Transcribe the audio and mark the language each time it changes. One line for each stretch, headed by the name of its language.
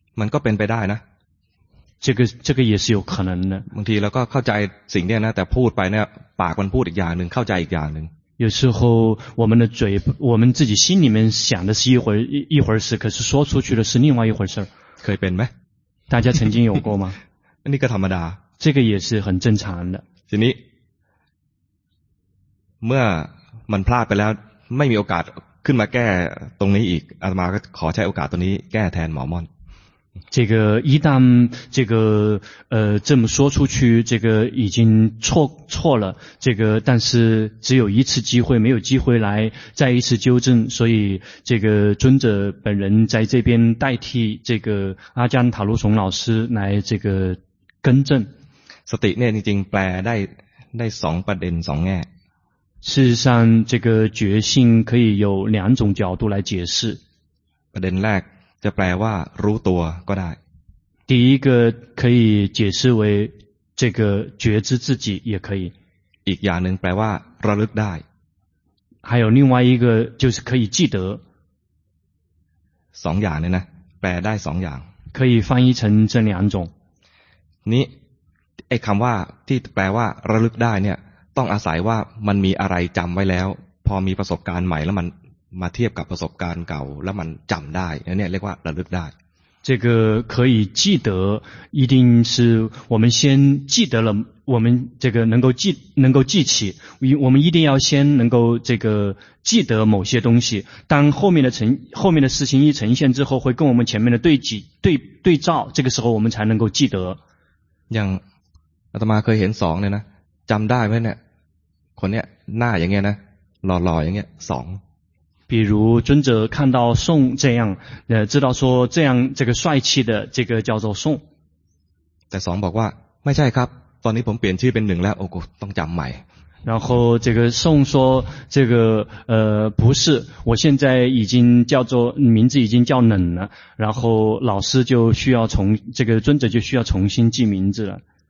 Thai: มันก็เป็นไปได้นะ
Chinese: 这个也是有可能的
Thai: บางทีเราก็เข้าใจสิ่งเนี้ยนะแต่พูดไปเนี่ยปากมันพูดอีกอย่างนึงเข้าใจอีกอย่างนึง
Chinese: 有时候我们的嘴我们自己心里面想的是一会儿事可是说出去的是另外一回事
Thai: เคยเป็นไหม
Chinese: 大家曾经有过吗
Thai: นี่ก็ธรรมดา
Chinese: 这个也是很正常的
Thai: ทีนี้เมื่อมันพลาดไปแล้วไม่มีโอกาสขึ้นมาแก้ตรงนี้อีกอาตมาก็ขอใช้โอกาสตรงนี้แก้แทนหมอม่อน
Chinese: 这个一旦这个这么说出去，这个已经错了。这个但是只有一次机会，没有机会来再一次纠正。所以这个尊者本人在这边代替这个阿姜塔卢松老师来这个更正。
Thai: สติเนี่ยจริงๆแปลได้สองประเด็นสองแง่。
Chinese: 事实上，这个觉性可以有两种角度来解释。
Thai: ประเด็นแรกจะแปลว่ารู้ตัวก็ได้
Chinese: 第一个可以解释为这个觉知自己也可以
Thai: อีกอย่างหนึ่งแปลว่าระลึกได้
Chinese: 还有另外一个就是可以记得
Thai: สองอย่างเนี่ยนะแปลได้สองอย่าง
Chinese: 可以翻译成这两种
Thai: นี้ไอ้คำว่าที่แปลว่าระลึกได้เนี่ยต้องอาศัยว่ามันมีอะไรจำไว้แล้วพอมีประสบการณ์ใหม่แล้วมันมาเทียบกับประสบการณ์เก่าแล้วมันจำได้แล้วเนี่ยเรียกว่าระลึกได้
Chinese: 这个可以记得一定是我们先记得了我们这个能够记起我们一定要先能够这个记得某些东西当后面的事情一呈现之后会跟我们前面的对照这个时候我们才能够记得
Thai: อย่างอาตมาเคยเห็นสองเนี่ยนะจำได้ไหมเนี่ยคนเนี้ยหน้าอย่างเงี้ยนะหล่อย่างเงี้ยสอง
Chinese: 比如尊者看到宋这样知道说这样这个帅气的这个叫做宋
Thai: แต่สองบอกว่าไม่ใช่ครับตอนนี้ผมเปลี่ยนชื่อเป็นหนึ่งแล้วโอ้โหต้องจำใหม่
Chinese: 然后这个宋说这个不是我现在已经叫做名字已经叫冷了然后老师就需要从这个尊者就需要重新记名字了